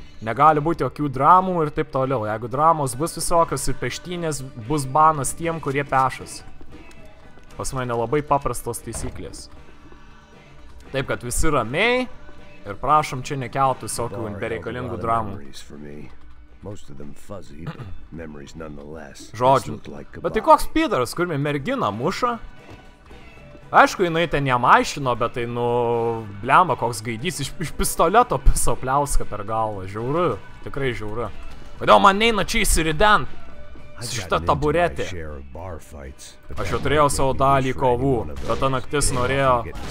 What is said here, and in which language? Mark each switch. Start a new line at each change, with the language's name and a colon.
Lithuanian: Negali būti jokių dramų ir taip toliau. Jeigu dramos bus visokios ir peštinės, bus banas tiem, kurie pešas. Pas mane labai paprastos taisyklės. Taip, kad visi ramiai ir prašom čia nekeltų visokių bereikalingų dramų.
English: Most of them fuzzy, but memories nonetheless.
Lithuanian: Žodžiu, bet tai koks pideras, kur mergina muša? Aišku, jinai ten nemaišino, bet tai, nu, blema, koks gaidys iš pistoleto piso pliauska per galvą. Žiauru, tikrai žiauru. Kodėl man neina čia įsiriden? Šitą taburetį. Aš jau turėjau savo dalį kovų, bet ta naktis norėjo...